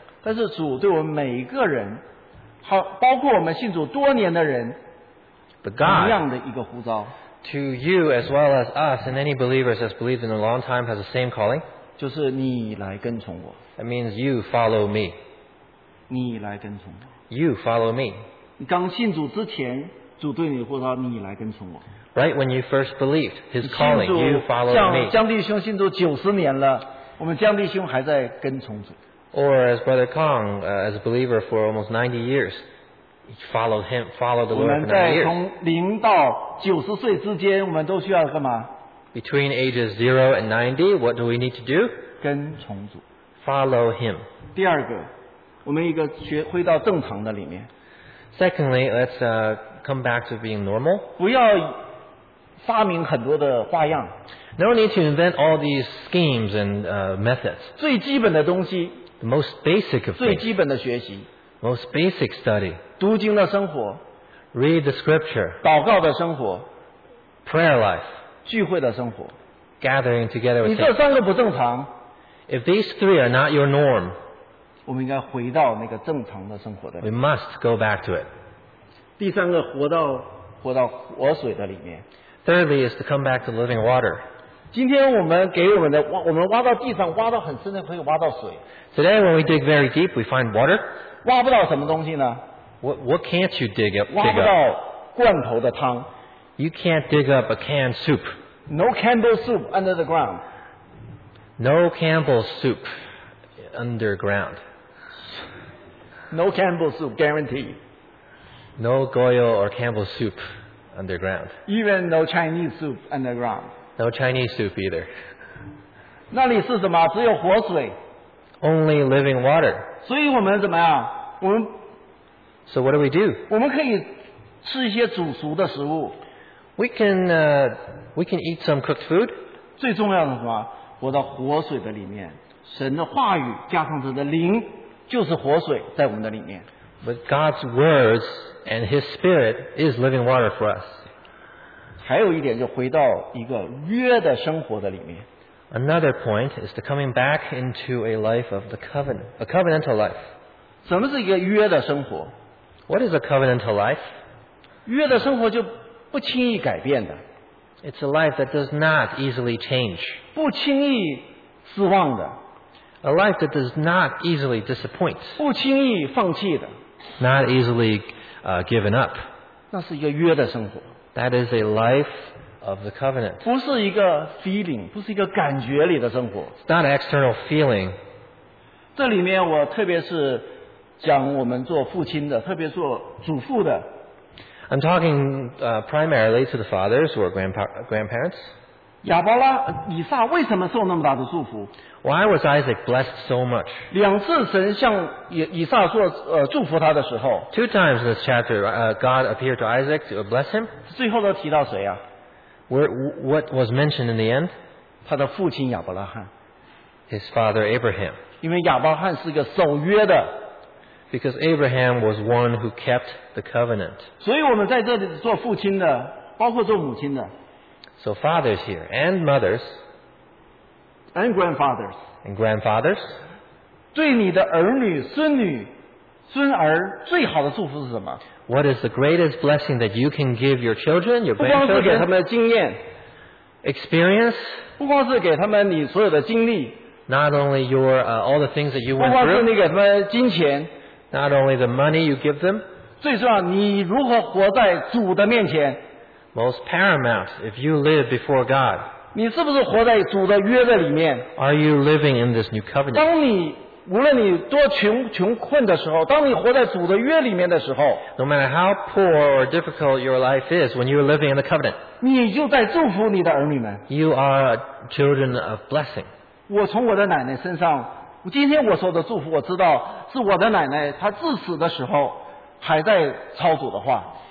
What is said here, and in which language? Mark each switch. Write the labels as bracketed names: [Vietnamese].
[Chinese] 但是主对我们每一个人，包括我们信主多年的人，同样的一个呼召。 [English] To you as well as us and any believers that's believed in a long time has the same calling. [Chinese] 就是你来跟从我。 [English] That means you follow me. [Chinese] 你来跟从我。 [English] You follow me. [Chinese] 你刚信主之前，主对你呼召，你来跟从我。 [English] Right when you first believed his calling, you follow me. [Chinese] 江弟兄信主九十年了。我们江弟兄还在跟从主。 [English] Or as Brother Kong, as a believer for almost 90 years, followed him, followed the Lord for 90 years. [Chinese] 我们在从零到九十岁之间，我们都需要干嘛？ [English] Between ages 0 and 90, what do we need to do? [Chinese] 跟从主。 [English] Follow him. [Chinese] 第二个，我们一个学回到正常的里面。 [English] Secondly, let's come back to being normal. [Chinese] 不要发明很多的花样。 [English] No need to invent all these schemes and methods. [Chinese] 最基本的东西。 [English] The most basic of things. [Chinese] 最基本的学习。 [English] Most basic study. [Chinese] 读经的生活。 [English] Read the scripture. [Chinese] 祷告的生活。 [English] Prayer life. [Chinese] 聚会的生活。 [English] Gathering together with people. [Chinese] 你这三个不正常。 [English] If these three are not your norm. [Chinese] 我们应该回到那个正常的生活的。 [English] We must go back to it. [Chinese] 第三个活到活水的里面。 [English] Thirdly is to come back to living water. [Chinese] 今天我们给我们的我们挖到地上挖到很深的可以挖到水。 [English] Today when we dig very deep, we find water. [Chinese] 挖不到什么东西呢？ [English] What can't you dig up? [Chinese] 挖不到罐头的汤。 [English] You can't dig up a canned soup. No Campbell's soup under the ground. No Campbell's soup underground. No Campbell's soup, guarantee. No Goyle or Campbell's soup. Underground. Even no Chinese soup underground. No Chinese soup either. [Chinese] 那里是什么？只有活水。 [English] Only living water. [Chinese] 所以我们怎么样？我们。 [English] So what do we do? [Chinese] 我们可以吃一些煮熟的食物。 [English] We can eat some cooked food. [Chinese] 最重要的是什么？活到活水的里面。神的话语加上神的灵，就是活水在我们的里面。 [English] But God's words. And His Spirit is living water for us. [Chinese] 还有一点就回到一个约的生活的里面。 [English] Another point is the coming back into a life of the covenant, a covenantal life. [Chinese] 什么是一个约的生活？ [English] What is a covenantal life? [Chinese] 约的生活就不轻易改变的。 [English] It's a life that does not easily change. [Chinese] 不轻易失望的。 [English] A life that does not easily disappoint. [Chinese] 不轻易放弃的。 [English] Not easily given up. [Chinese] 那是一个约的生活。 [English] That is a life of the covenant. [Chinese] 不是一个 feeling, 不是一个感觉里的生活。 [English] It's not an external feeling. [Chinese] 这里面我特别是讲我们做父亲的，特别做祖父的。 [English] I'm talking primarily to the fathers or grandparents. [Chinese] 亚伯拉以撒为什么受那么大的祝福？ [English] Why was Isaac blessed so much? [Chinese] 两次神向以撒说祝福他的时候。 [English] Two times in this chapter, God appeared to Isaac to bless him. [Chinese] 最后都提到谁啊？ [English] What was mentioned in the end? [Chinese] 他的父亲亚伯拉罕。 [English] His father Abraham. [Chinese] 因为亚伯拉罕是一个守约的。 [English] Because Abraham was one who kept the covenant. [Chinese] 所以我们在这里做父亲的，包括做母亲的。 [English] So fathers here and mothers. And grandfathers. And grandfathers. [Chinese] 对你的儿女、孙女、孙儿最好的祝福是什么？ [English] What is the greatest blessing that you can give your children, your grandchildren? [Chinese] 不光是给他们经验。 [English] Experience. [Chinese] 不光是给他们你所有的经历。 [English] Not only your all the things that you went through. [Chinese] 不光是你给他们金钱。 [English] Not only the money you give them. [Chinese] 最重要，你如何活在主的面前？ [English] Most paramount, if you live before God. [Chinese] 你是不是活在主的约的里面？ [English] Are you living in this new covenant? [Chinese] 当你无论你多穷困的时候，当你活在主的约里面的时候， [English] No matter how poor or difficult your life is, when you are living in the covenant, [Chinese] 你就在祝福你的儿女们。 [English] You are children of blessing. [Chinese] 我从我的奶奶身上。今天我说的祝福，我知道是我的奶奶她致死的时候还在操主的话。